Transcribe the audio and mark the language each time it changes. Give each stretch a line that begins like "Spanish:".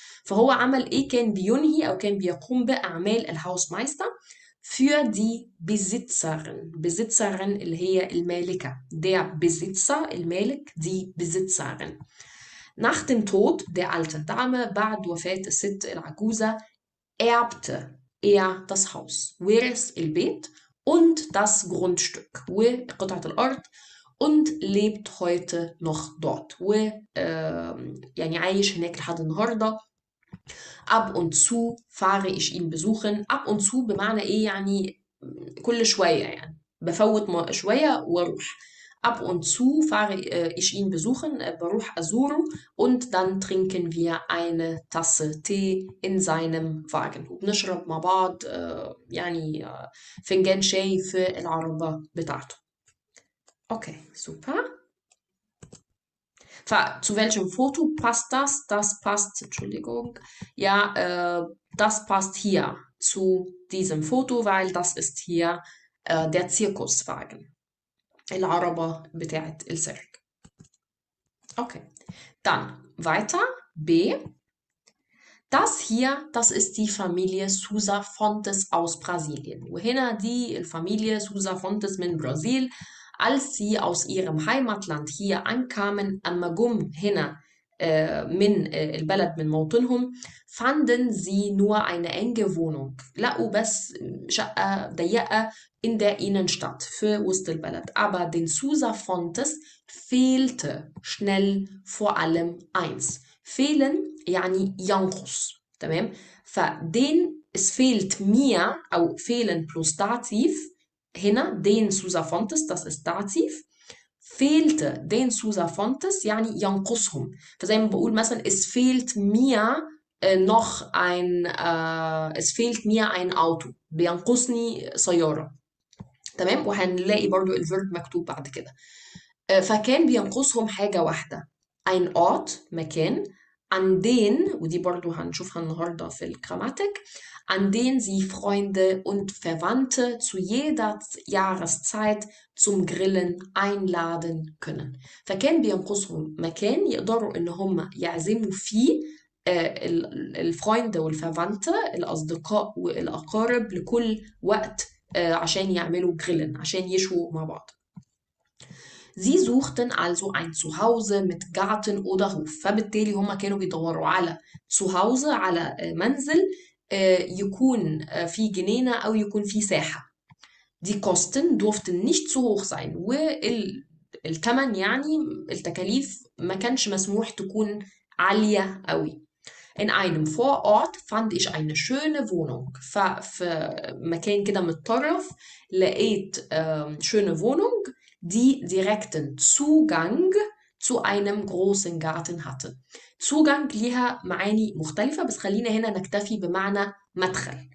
Arabic: فهو عمل إيه؟ كان بينهي أو كان بيقوم بأعمال الهاوسمايستر
German: für die Besitzerin.
Arabic: Besitzerin اللي هي المالكة.
German: Der Besitzer,
Arabic: المالك,
German: die Besitzerin. Nach dem Tod der alten Dame,
Arabic: بعد وفاة الست العجوزة,
German: erbte er das Haus.
Arabic: ورث البيت
German: und das Grundstück.
Arabic: وقطعة الأرض
German: und lebt heute noch dort.
Arabic: و يعني عايش هناك لحد النهاردة.
German: Ab und zu fahre ich ihn besuchen. Ab und zu
Arabic: بمعنى ايه؟ يعني كل شوية, يعني بفوت شوية واروح.
German: Ab und zu fahre ich ihn besuchen,
Arabic: بروح ازوره,
German: und dann trinken wir eine Tasse Tee in seinem Wagen.
Arabic: وبنشرب مع بعض يعني فنجان شاي في العربة بتاعته.
German: Okay, super. Zu welchem Foto passt das? Das passt, Entschuldigung, ja, das passt hier zu diesem Foto, weil das ist hier der Zirkuswagen.
Arabic: العربة بتاعت السيرك.
German: Okay, dann weiter, B. Das hier, das ist die Familie Sousa Fontes aus Brasilien.
Arabic: وهنا دي الفاميليا سوزا فونتس من برازيل.
German: Als sie aus ihrem Heimatland hier ankamen,
Arabic: أما جم هنا من البلد من موطنهم,
German: fanden sie nur eine enge Wohnung.
Arabic: لقوا بس شقة ضيقة
German: in der Innenstadt
Arabic: في وسط البلد.
German: Aber den Sousa Fontes fehlte schnell vor allem eins. Fehlen
Arabic: يعني ينقص, تمام؟
German: فden, es fehlt mir, أو fehlen plus Dativ, هنا den Sousa Fontes, das ist Dativ, fehlte den Sousa Fontes,
Arabic: يعني ينقصهم. فزي ما بقول مثلا
German: es fehlt mir noch ein, es fehlt mir ein Auto,
Arabic: بينقصني سيارة. تمام؟ وهنلاقي برضو الفيرب مكتوب بعد كده. فكان بينقصهم حاجة واحدة.
German: Ein Ort,
Arabic: مكان.
German: An den,
Arabic: ودي برضو هنشوفها النهاردة في الجراماتيك.
German: An den sie Freunde und Verwandte zu jeder Jahreszeit zum Grillen einladen können.
Arabic: فكان بينقصهم مكان يقدروا ان هم يعزموا فيه الفريند والفرونت الأصدقاء والأقارب لكل وقت عشان يعملوا جريلن عشان يشووا مع بعض.
German: Sie suchten also ein Zuhause mit Garten oder Hof.
Arabic: فبالتالي هم كانوا بيدوروا على Zuhause على منزل يكون فيه جنينة أو يكون فيه ساحة.
German: Die Kosten durften nicht zu hoch sein.
Arabic: والتمن يعني التكاليف ما كانش مسموح تكون عالية أوي.
German: In einem Vorort fand ich eine schöne Wohnung.
Arabic: ففي مكان كده متطرف لقيت
German: schöne Wohnung, die direkten Zugang zu einem großen Garten hatte.
Arabic: Zugang ليها معاني مختلفة بس خلينا هنا نكتفي بمعنى مدخل.